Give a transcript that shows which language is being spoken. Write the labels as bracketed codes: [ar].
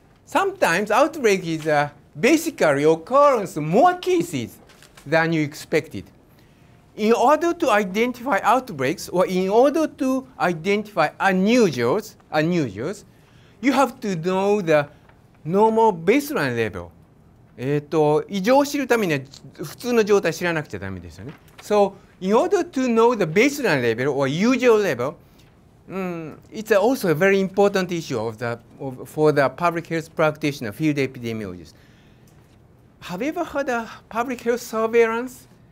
[en] Sometimes outbreak is a basically occurs more cases than you expected. In order to identify outbreaks or in order to identify unusuals, you have to know the normal baseline level. [ja] 異常を知るためには普通の状態を知らなくちゃダメですよね。 [en] So in order to know the baseline level or usual level, it's also a very important issue for the public health practitioner, field epidemiologist. Have you ever heard of public health surveillance?